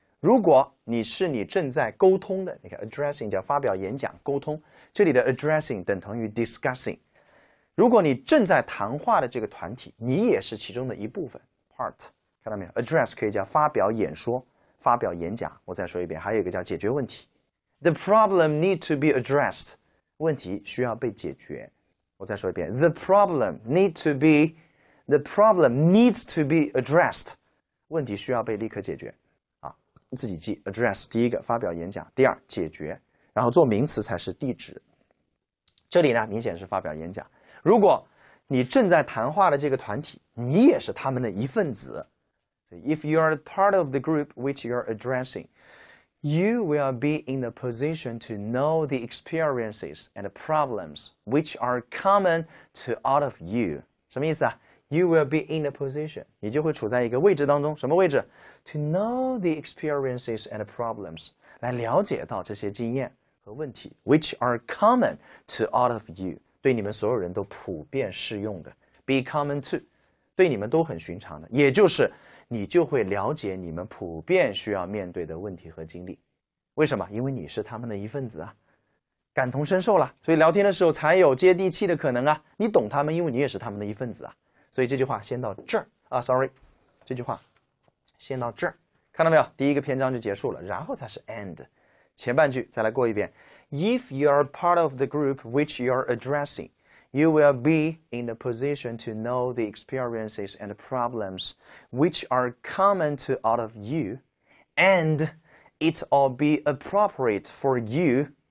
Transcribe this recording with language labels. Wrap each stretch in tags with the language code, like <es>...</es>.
<zh>如果你是你正在沟通的，你看 addressing 叫发表演讲、沟通，这里的 addressing 等同于 discussing。如果你正在谈话的这个团体，你也是其中的一部分 part。看到没有？address 可以叫发表演说、发表演讲。我再说一遍，还有一个叫解决问题。</zh> <en>The problem need to be addressed。</en> <zh>问题需要被解决。我再说一遍，</zh> <en>the problem need to be the problem needs to be addressed。</en> <zh>问题需要被立刻解决，啊，自己记 address 第一个发表演讲，第二解决，然后做名词才是地址。这里呢，明显是发表演讲。如果你正在谈话的这个团体，你也是他们的一份子。所以</zh> <en>if you are part of the group which you're addressing, you will be in the position to know the experiences and problems which are common to all of you。</en> <zh>什么意思啊？</zh> <en>You will be in a position，</en> <zh>你就会处在一个位置当中。什么位置？</zh> <en>To know the experiences and problems，</en> <zh>来了解到这些经验和问题 ，</zh> <en>which are common to all of you，</en> <zh>对你们所有人都普遍适用的。</zh> <en>Be common to，</en> <zh>对你们都很寻常的，也就是你就会了解你们普遍需要面对的问题和经历。为什么？因为你是他们的一份子啊，感同身受了，所以聊天的时候才有接地气的可能啊。你懂他们，因为你也是他们的一份子啊。所以这句话先到这儿啊，sorry， 这句话先到这儿，看到没有？第一个篇章就结束了，然后才是 end， 前半句再来过一遍。</zh> <en>If you are part of the group which you are addressing, you will be in the position to know the experiences and problems which are common to all of you, and it'll be appropriate for you。</en>